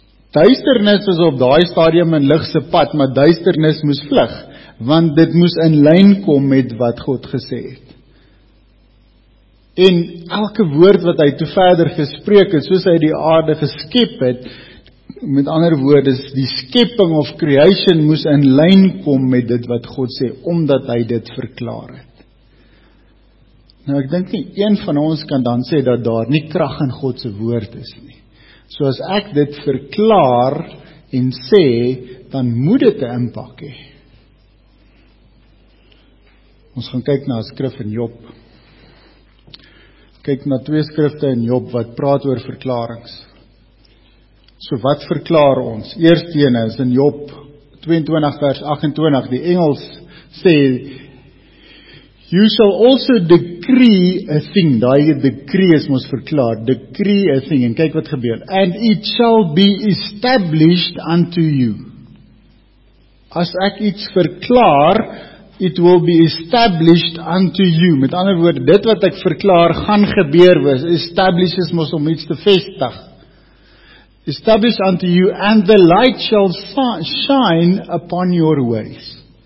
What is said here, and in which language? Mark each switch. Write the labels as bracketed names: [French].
[Afrikaans] Duisternis is op daai stadium in lig se pad, maar duisternis moes vlug, want dit moes in lyn kom met wat God gesê het. En elke woord wat hy toe verder gespreek het, soos hy die aarde geskep het, met ander woorde, die skepping of creation moes in lyn kom met dit wat God sê, omdat hy dit verklaar het. Nou ek dink nie, een van ons kan dan sê dat daar nie krag in God se woord is nie. So as ek dit verklaar en sê, dan moet dit 'n impak hê. Ons gaan kyk na 'n skrif in Job. Kyk na twee skrifte in Job wat praat oor verklaringe. So wat verklaar ons? Eerstene is in Job 22 vers 28, die Engels sê, [English] you shall also decree a thing, [Afrikaans] die decree is ons verklaar, [English] decree a thing, [Afrikaans] en kyk wat gebeur, [English] and it shall be established unto you. [Afrikaans] As ek iets verklaar, [English] it will be established unto you. [Afrikaans] Met ander woorde, dit wat ek verklaar, gaan gebeur, establish is ons om iets te vestig. [English] Establish unto you, and the light shall shine upon your ways.